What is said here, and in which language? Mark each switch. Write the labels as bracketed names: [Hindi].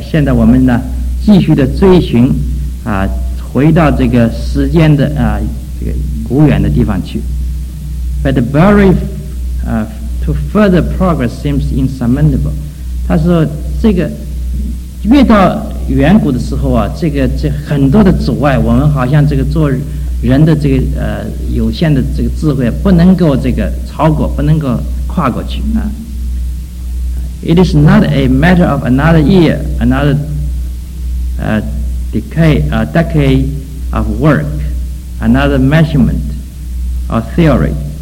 [Chinese] 现在我们呢，继续的追寻回到这个时间的这个古远的地方去。 [English] But the barrier to further progress seems insurmountable. [Chinese] 他说这个越到远古的时候啊，这很多的阻碍，我们好像这个做人的这个有限的这个智慧不能够这个超过，不能够跨过去啊。 [English] It is not a matter of another year, another decade of work, another measurement or theory.